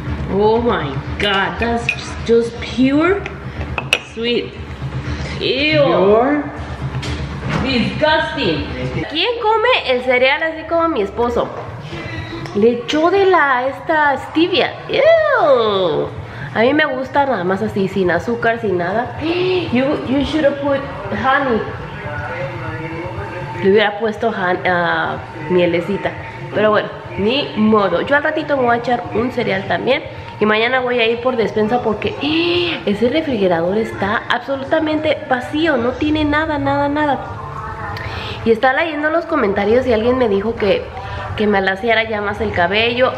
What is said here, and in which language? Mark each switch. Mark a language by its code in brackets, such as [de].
[en] Oh my god, that's just pure sweet. Ew. Pure. Disgusting. [es] ¿Quién come el cereal así como mi esposo? Le echó de la esta stevia. Ew. A mí me gusta nada más así, sin azúcar, sin nada. [en] You should have put honey. [es] Le hubiera puesto mielecita. Pero bueno, ni modo. Yo al ratito me voy a echar un cereal también. Y mañana voy a ir por despensa porque ese refrigerador está absolutamente vacío. No tiene nada, nada, nada. Y estaba leyendo los comentarios y alguien me dijo que me alaciara ya más el cabello.